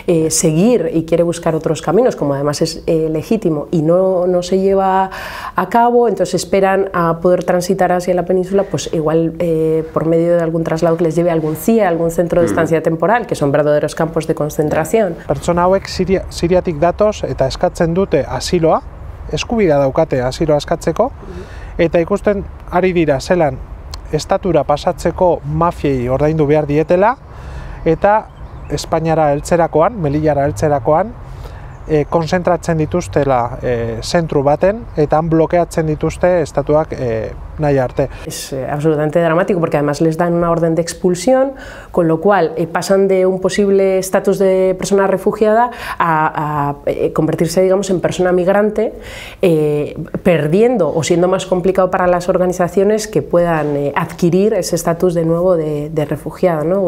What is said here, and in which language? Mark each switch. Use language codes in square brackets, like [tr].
[es] seguir y quiere buscar otros caminos, como además es legítimo, y no se lleva a cabo, entonces esperan a poder transitar hacia la península, pues igual por medio de algún traslado que les lleve a algún CIE, a algún centro de estancia temporal, que son verdaderos campos de concentración. [eu] Pertsona hauek Siriatik datoz eta eskatzen dute asiloa, eskubidea daukate asiloa eskatzeko, eta ikusten ari dira zelan estatura pasatzeko mafiei ordaindu behar dietela, eta Espainiara heltzerakoan, Melillara heltzerakoan, konzentratzen dituztela zentru baten, eta han blokeatzen dituzte estatuak nahi arte. [es] Es absolutamente dramático, porque además les dan una orden de expulsión, con lo cual pasan de un posible estatus de persona refugiada a convertirse, digamos, en persona migrante, perdiendo o siendo más complicado para las organizaciones que puedan adquirir ese estatus de nuevo de refugiado, ¿no?